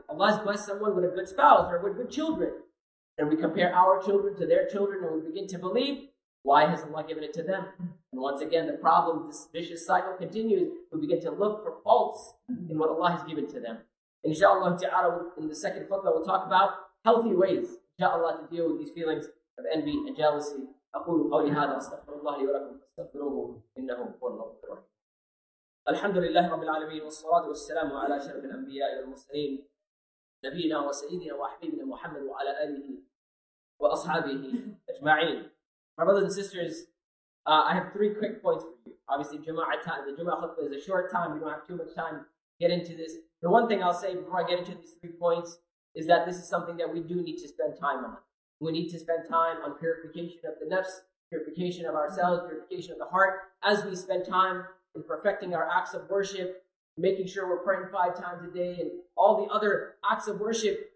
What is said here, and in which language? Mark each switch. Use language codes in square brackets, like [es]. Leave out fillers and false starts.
[en] Allah has blessed someone with a good spouse or with good children. And we compare our children to their children and we begin to believe, why has Allah given it to them? And once again, the problem, this vicious cycle continues. We begin to look for faults in what Allah has given to them. Inshallah ta'ala, in the second khutbah, we'll talk about healthy ways, inshallah, to deal with these feelings of envy and jealousy. [ar] أقول قولي هذا استغفر الله لي ولكم استغفروه إنه هو الغفور الرحيم الحمد لله رب العالمين والصلاة والسلام على شرف الأنبياء والمرسلين نبينا وسيدنا وحبيبنا محمد وعلى آله وأصحابه أجمعين. [en] My brothers and sisters, I have three quick points for you. Obviously, Jumu'ah khutbah is a short time. We don't have too much time to get into this. The one thing I'll say before I get into these three points is that this is something that we do need to spend time on. We need to spend time on purification of the nafs, purification of ourselves, purification of the heart, as we spend time in perfecting our acts of worship, making sure we're praying five times a day, and all the other acts of worship.